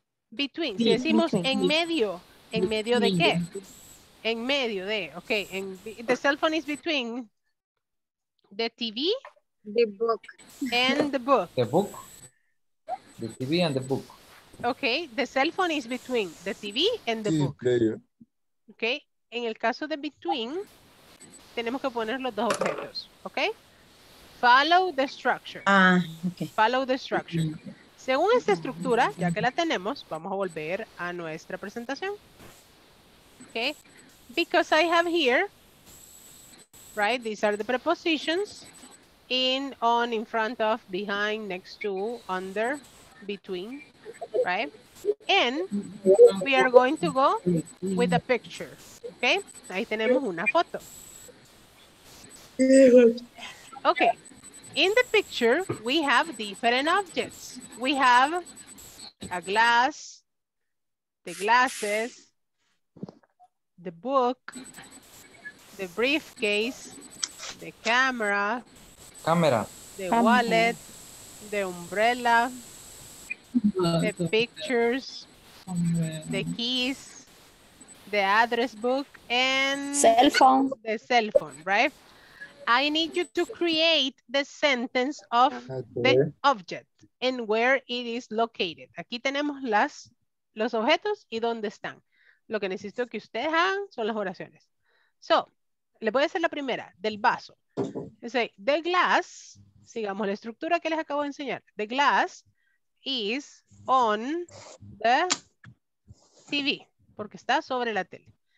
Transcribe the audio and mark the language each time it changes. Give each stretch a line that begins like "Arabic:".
Spanish: Between, si decimos between. En medio de qué? En medio de,
English: okay, the cell phone is between the TV. The book. And the book. The book, the TV and the book. Okay, the cell phone is between the TV and the book.
Spanish: Okay, en el caso de between, tenemos que poner los dos objetos, okay?
English: Follow the structure. Okay. Follow the structure.
Spanish: Según esta estructura, ya que la tenemos, vamos a volver a nuestra presentación.
English: Okay, because I have here, right, these are the prepositions, in, on, in front of, behind, next to, under, between. Right, and we are going to go with a picture. Okay,
Spanish: ahí tenemos una foto.
English: Okay, in the picture we have different objects. We have a glass, the glasses, the book, the briefcase, the camera, the wallet, the umbrella, the pictures, the keys, the address book, and the cell phone, right? I need you to create the sentence of the object and where it is located.
Spanish: Aquí tenemos los objetos y dónde están. Lo que necesito que ustedes hagan son las oraciones. So, le voy a hacer la primera, del vaso. Say, the glass, sigamos la estructura que les acabo de enseñar.
English: The glass is on the TV,
Spanish: porque está sobre la tele.